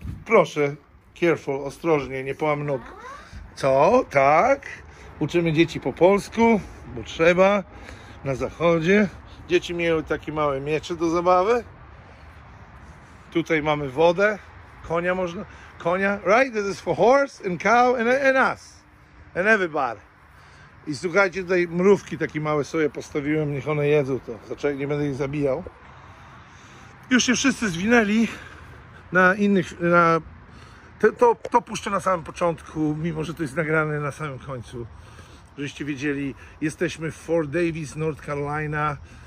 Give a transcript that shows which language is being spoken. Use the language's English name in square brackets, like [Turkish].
[Polish] Proszę, careful, ostrożnie, nie połam nóg. Co? Tak? Uczymy dzieci po polsku, bo trzeba, na zachodzie. Dzieci miały takie małe miecze do zabawy. Tutaj mamy wodę, konia można, konia, right? [English] This is for horse and cow and us, and everybody. [Polish] I słuchajcie, tutaj mrówki takie małe sobie postawiłem, niech one jedzą to, zaczekaj, nie będę ich zabijał. Już się wszyscy zwinęli na innych, na... To puszczę na samym początku, mimo że to jest nagrane na samym końcu. Żebyście wiedzieli, jesteśmy w Fort Davis, North Carolina.